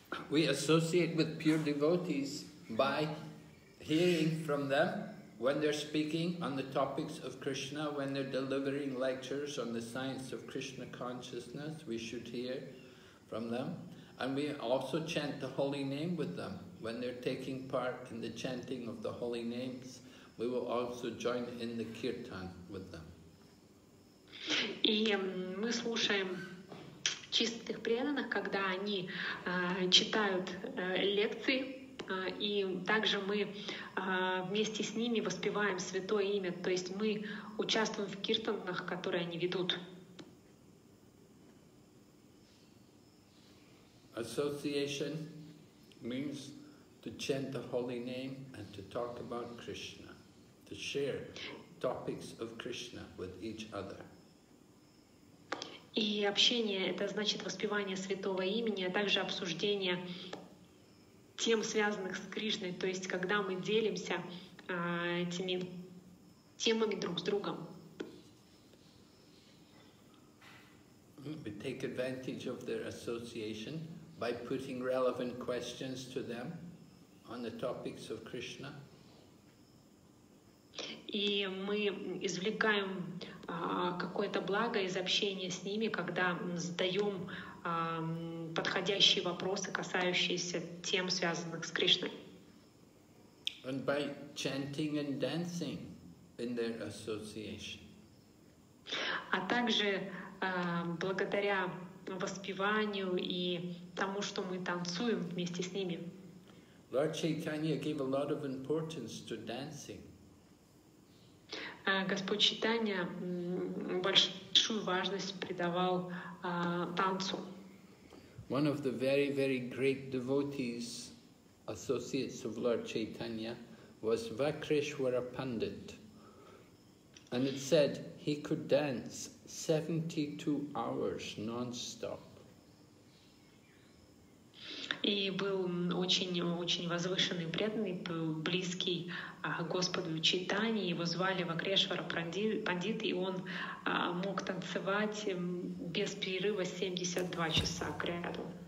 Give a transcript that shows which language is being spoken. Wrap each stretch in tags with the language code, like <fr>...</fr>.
<en>We associate with pure devotees by hearing from them when they're speaking on the topics of Krishna, when they're delivering lectures on the science of Krishna consciousness, we should hear from them. And we also chant the holy name with them. When they're taking part in the chanting of the holy names, we will also join in the kirtan with them.</en> <ru>И мы слушаем чистых преданных, когда они читают лекции, и также мы вместе с ними воспеваем святое имя, то есть мы участвуем в киртанах, которые они ведут.</ru> <en>Association means to chant the holy name and to talk about Krishna, to share topics of Krishna with each other.</en> <ru>И общение — это значит воспевание святого имени, а также обсуждение тем, связанных с Кришной, то есть когда мы делимся этими темами друг с другом.</ru> <en>We take advantage of their association by putting relevant questions to them on the topics of Krishna.</en> <ru>И мы извлекаем какое-то благо из общения с ними, когда задаем подходящие вопросы, касающиеся тем, связанных с Кришной.</ru> <en>And by chanting and dancing in their association.</en> <ru>А также благодаря воспеванию и тому, что мы танцуем вместе с ними.</ru> <en>Lord Chaitanya gave a lot of importance to dancing.</en> <ru>Господь Читания большую важность придавал танцу.</ru> <en>One of the very, very great devotees, associates of Lord Chaitanya, was Vakreshwara Pandit. And it said he could dance 72 hours non-stop.</en> <ru>и был очень-очень возвышенный, преданный, близкий Господу Чайтани. Его звали Вакрешвара Пандит, и он мог танцевать без перерыва 72 часа кряду.</ru>